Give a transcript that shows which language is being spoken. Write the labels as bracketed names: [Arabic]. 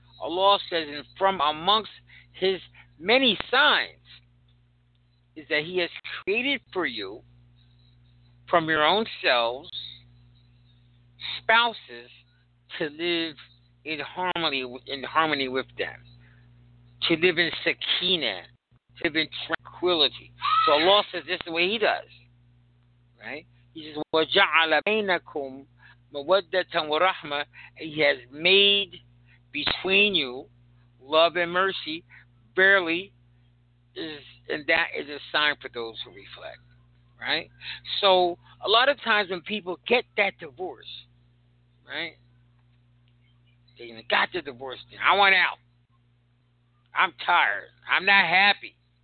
[English] Allah says, and from amongst his many signs is that he has created for you from your own selves spouses to live in harmony with them, to live in sakina, to live in tranquility. So Allah says this is the way he does, right? He says, [Arabic] وَجَعَلَ بَيْنَكُمْ مَوَدَّةً وَرَحْمَةً. [English] He has made between you love and mercy. Barely is, and that is a sign for those who reflect, right? So a lot of times when people get that divorce, right, they even got the divorce thing, I want out, I'm tired. I'm not happy.